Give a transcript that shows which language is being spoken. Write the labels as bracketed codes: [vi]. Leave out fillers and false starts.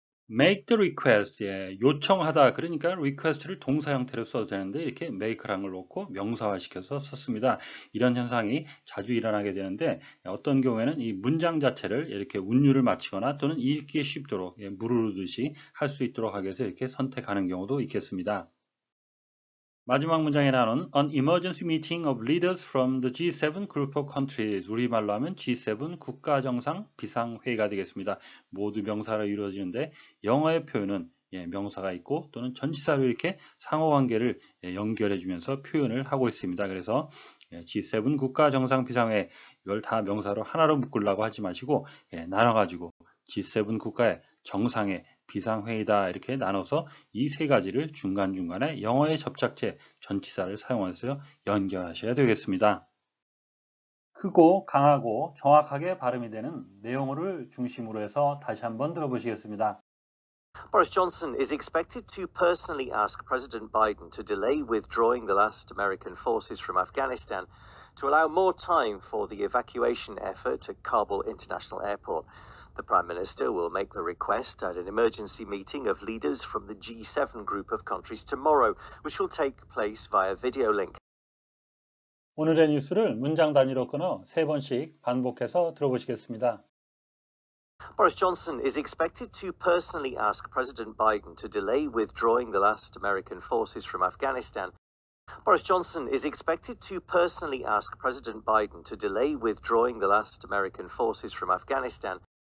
[en] make the request, [ko] 예, 요청하다, 그러니까 request를 동사 형태로 써도 되는데 이렇게 make라는 걸 놓고 명사화시켜서 썼습니다. 이런 현상이 자주 일어나게 되는데 어떤 경우에는 이 문장 자체를 이렇게 운율을 맞추거나 또는 읽기에 쉽도록 예, 무르르듯이 할 수 있도록 하기 위해서 이렇게 선택하는 경우도 있겠습니다. 마지막 문장에 나오는 [en] An emergency meeting of leaders from the G7 group of countries. [ko] 우리말로 하면 G7 국가정상 비상회의가 되겠습니다. 모두 명사로 이루어지는데 영어의 표현은 예, 명사가 있고 또는 전치사로 이렇게 상호관계를 예, 연결해주면서 표현을 하고 있습니다. 그래서 예, G7 국가정상 비상회 이걸 다 명사로 하나로 묶으려고 하지 마시고 예, 나눠가지고 G7 국가의 정상의 비상회의다 이렇게 나눠서 이 세 가지를 중간중간에 영어의 접착제 전치사를 사용해서 연결하셔야 되겠습니다. 크고 강하고 정확하게 발음이 되는 내용어를 중심으로 해서 다시 한번 들어보시겠습니다. [en] Boris Johnson is expected to personally ask President Biden to delay withdrawing the last American forces from Afghanistan to allow more time for the evacuation effort at Kabul International Airport. The Prime Minister will make the request at an emergency meeting of leaders from the G7 group of countries tomorrow, which will take place via video link. [ko] 오늘의 뉴스를 문장 단위로 끊어 세 번씩 반복해서 들어보시겠습니다. [en] Boris Johnson is expected to personally ask President Biden to delay withdrawing the last American forces from Afghanistan. Boris Johnson is expected to personally ask President Biden to delay withdrawing the last American forces from Afghanistan.